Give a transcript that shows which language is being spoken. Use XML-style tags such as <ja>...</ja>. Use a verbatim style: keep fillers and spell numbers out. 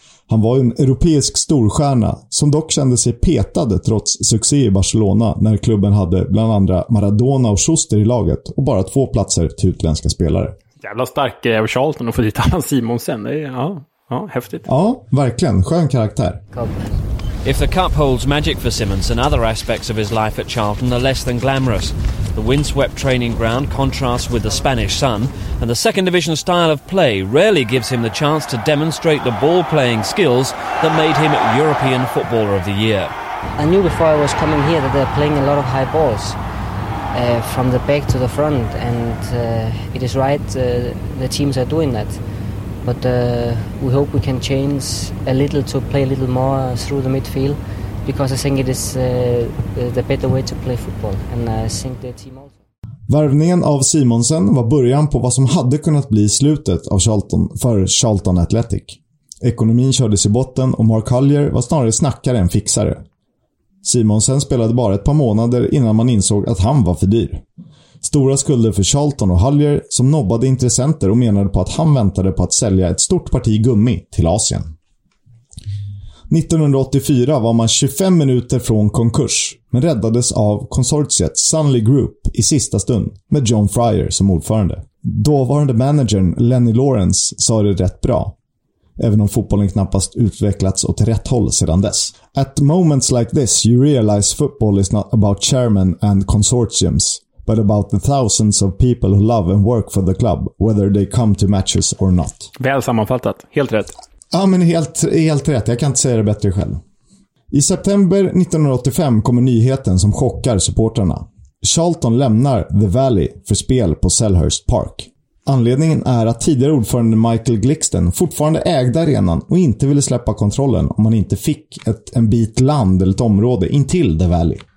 <sv>Han var en europeisk storstjärna som dock kände sig petad trots succé i Barcelona när klubben hade bland andra Maradona och Schuster i laget och bara två platser till utländska spelare. Jävla stark grej av Charlton att få dit Allan Simonsen. Det är, ja, ja, häftigt. Ja, verkligen. Skön karaktär.</sv> <en>If the cup holds magic for Simmons and other aspects of his life at Charlton are less than glamorous. The windswept training ground contrasts with the Spanish sun, and the second division style of play rarely gives him the chance to demonstrate the ball-playing skills that made him European Footballer of the Year. I knew before I was coming here that they were playing a lot of high balls, uh, from the back to the front, and uh, it is right, uh, the teams are doing that. But uh, we hope we can change a little to play a little more through the midfield, because I think it is uh, the better way to play football, and I think the team also.</en> <sv>Värvningen av Simonsen var början på vad som hade kunnat bli slutet av Charlton för Charlton Athletic. Ekonomin kördes i botten och Mark Hallier var snarare snackare än fixare. Simonsen spelade bara ett par månader innan man insåg att han var för dyr. Stora skulder för Charlton och Hallier som nobbade intressenter och menade på att han väntade på att sälja ett stort parti gummi till Asien. nittonhundraåttiofyra var man tjugofem minuter från konkurs, men räddades av konsortiet Sunley Group i sista stund med John Fryer som ordförande. Dåvarande managern Lenny Lawrence sa det rätt bra, även om fotbollen knappast utvecklats åt rätt håll sedan dess.</sv> <en>At moments like this you realize football is not about chairmen and consortiums, but about the thousands of people who love and work for the club, whether they come to matches or not.</en> <sv>Väl sammanfattat, helt rätt. Ja, men helt, helt rätt. Jag kan inte säga det bättre själv. I september nittonhundraåttiofem kommer nyheten som chockar supporterna. Charlton lämnar The Valley för spel på Selhurst Park. Anledningen är att tidigare ordförande Michael Glixten fortfarande ägde arenan och inte ville släppa kontrollen om man inte fick ett, en bit land eller ett område intill The Valley.</sv>